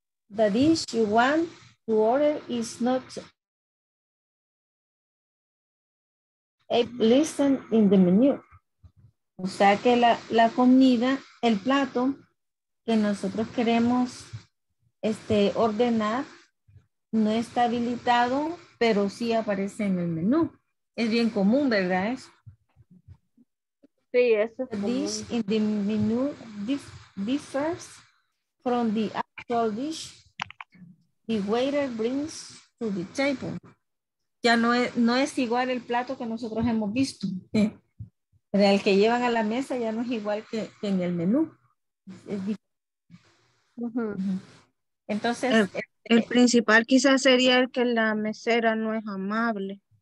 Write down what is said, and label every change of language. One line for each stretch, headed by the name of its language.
English: The dish you want to order is not listed in the menu.
Spanish: O sea que la comida, el plato que nosotros queremos ordenar no está habilitado, pero sí aparece en el menú. Es bien común, ¿verdad? Eso. Sí, eso es común.
English: The dish in the menu differs from the actual dish the waiter brings to the table.
Spanish: Ya no es igual el plato que nosotros hemos visto. En el que llevan a la mesa ya no es igual que en el menú. Es diferente. Entonces. El principal quizás sería el que la mesera no es amable.